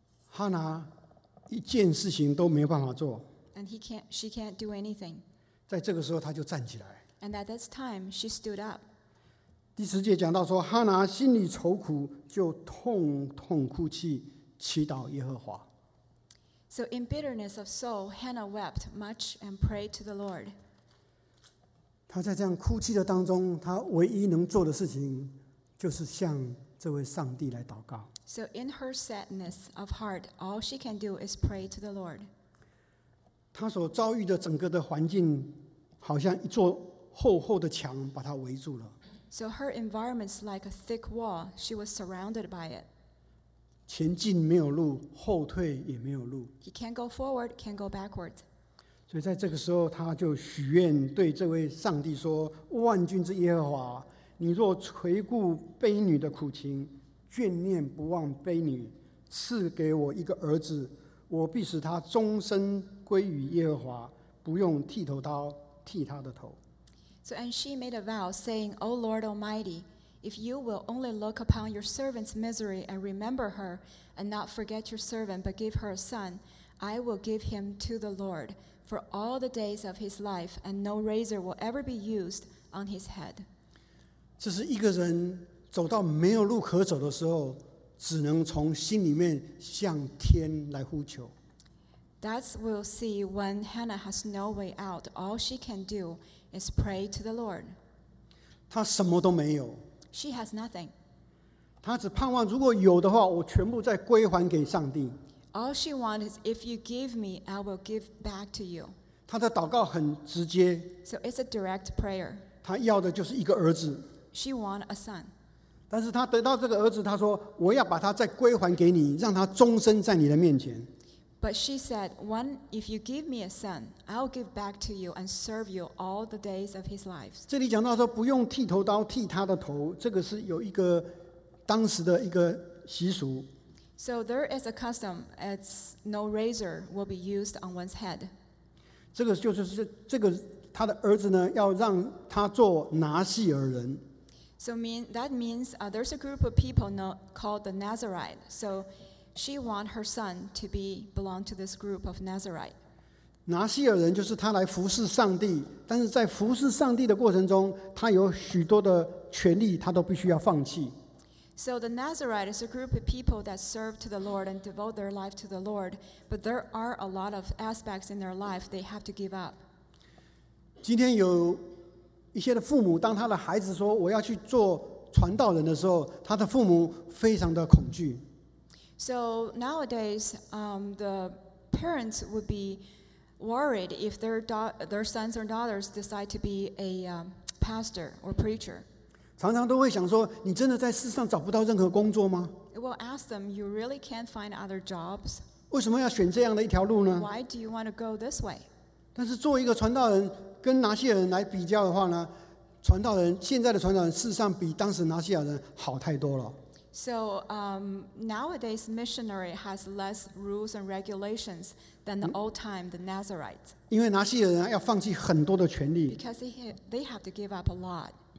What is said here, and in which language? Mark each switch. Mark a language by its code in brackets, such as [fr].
[zh] 哈拿一件事情都没有办法做。 [en] And she can't do anything. [zh] 在这个时候，他就站起来。 [en] And at this time, she stood up. [zh] 第十节讲到说，哈拿心里愁苦，就痛痛哭泣，祈祷耶和华。 [en] So in bitterness of soul, Hannah wept much and prayed to the Lord. [zh] 她在这样哭泣的当中，她唯一能做的事情就是向这位上帝来祷告。 [en] So in her sadness of heart, all she can do is pray to the Lord. [zh] 她所遭遇的整个的环境好像一座厚厚的墙把她围住了。 [en] So her environment's like a thick wall. She was surrounded by it. [zh] 前进没有路，后退也没有路。 [en] He can't go forward, can't go backwards. [zh] 所以在这个时候，他就许愿对这位上帝说：“万军之耶和华，你若垂顾卑女的苦情，眷念不忘卑女，赐给我一个儿子，我必使他终身归于耶和华，不用剃头刀剃他的头。” [en] So and she made a vow, saying, "O Lord Almighty, if you will only look upon your servant's misery and remember her and not forget your servant but give her a son, I will give him to the Lord for all the days of his life and no razor will ever be used on his head." [zh] 这是一个人走到没有路可走的时候，只能从心里面向天来呼求。 [en] That's we'll see when Hannah has no way out. All she can do is pray to the Lord. [zh] 她什么都没有。 [en] She has nothing. [zh] 她只盼望如果有的话，我全部再归还给上帝。 [en] All she wants is if you give me, I will give back to you. [zh] 她的祷告很直接。 [en] So it's a direct prayer. [zh] 她要的就是一个儿子。 [en] She wants a son. [zh] 但是她得到这个儿子，她说我要把他再归还给你，让他终身在你的面前。 [en] But she said, "One, if you give me a son, I'll give back to you and serve you all the days of his life." [zh] 这里讲到说不用剃头刀剃他的头，这个是有一个当时的一个习俗。 [en] So there is a custom; it's no razor will be used on one's head. [zh] 这个就是这个他的儿子呢，要让他做拿细耳人。 [en] So that means there's a group of people called the Nazarite. So she wants her son to belong to this group of Nazarite. [zh] 拿细尔人就是他来服侍上帝，但是在服侍上帝的过程中，他有许多的权利，他都必须要放弃。 [en] So the Nazarite is a group of people that serve to the Lord and devote their life to the Lord, but there are a lot of aspects in their life they have to give up. [zh] 今天有一些的父母，当他的孩子说我要去做传道人的时候，他的父母非常的恐惧。 [en] So nowadays, the parents would be worried if their sons or daughters decide to be a pastor or preacher. [zh] 常常都会想说，你真的在世上找不到任何工作吗？ [en] It will ask them, you really can't find other jobs. [zh] 为什么要选这样的一条路呢？ [en] Why do you want to go this way? [zh] 但是作为一个传道人，跟拿细尔人来比较的话呢，传道人现在的传道人事实上比当时拿细尔人好太多了。 [en] So nowadays missionary has less rules and regulations than the old time the Nazarites. [zh] 因为拿细尔人要放弃很多的权利。 [en] Because they have to give up a lot.